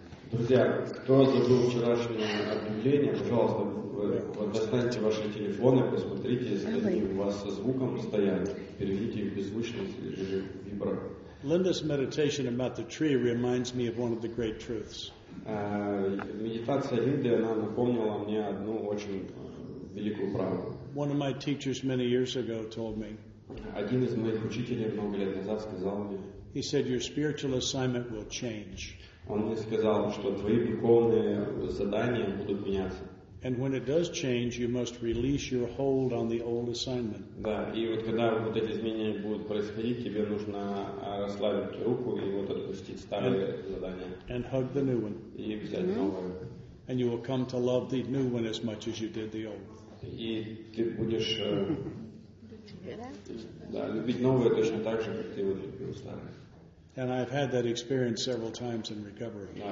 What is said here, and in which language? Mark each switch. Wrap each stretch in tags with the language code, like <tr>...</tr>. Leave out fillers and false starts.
<ru>Друзья, кто забыл вчерашнее объявление, пожалуйста, достаньте ваши телефоны, посмотрите, если они у вас со звуком стоят, переведите их в беззвучность или же вибро.</ru> <en>Linda's meditation about the tree reminds me of one of the great truths.</en> <ru>Медитация Линды, она напомнила мне одну очень великую правду.</ru> <en>One of my teachers many years ago told me.</en> <ru>Один из моих учителей много лет назад сказал мне.</ru> <en>He said, your spiritual assignment will change.</en> <ru>Он мне сказал, что твои духовные задания будут меняться.</ru> <en>And when it does change, you must release your hold on the old assignment.</en> <ru>Да, и вот когда вот эти изменения будут происходить, тебе нужно расслабить руку и вот отпустить старые задания.</ru> <en>And hug the new one.</en> <ru>И взять новое.</ru> <en>And you will come to love the new one as much as you did the old.</en> <ru>И ты будешь да, любить новое точно так же, как ты его любил старое.</ru> <en>And I've had that experience several times in recovery.</en>